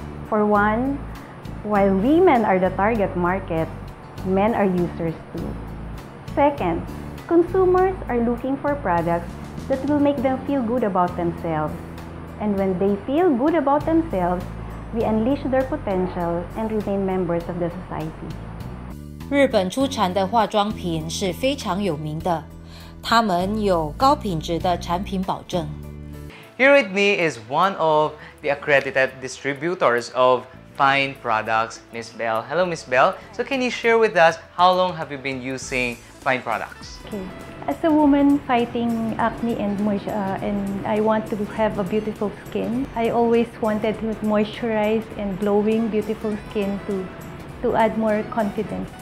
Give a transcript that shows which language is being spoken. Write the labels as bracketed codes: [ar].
[en] For one, while women are the target market, men are users too. Second, consumers are looking for products that will make them feel good about themselves. And when they feel good about themselves,We unleash their potential and remain members of the society. [zh] 日本出产的化妆品是非常有名的，他们有高品质的产品保证。 [en] Here with me is one of the accredited distributors of fine products, Ms. Bell. Hello, Ms. Bell. So can you share with us how long have you been using fine products? Okay. As a woman fighting acne and moisture, and I want to have a beautiful skin, I always wanted with moisturized and glowing beautiful skin to add more confidence.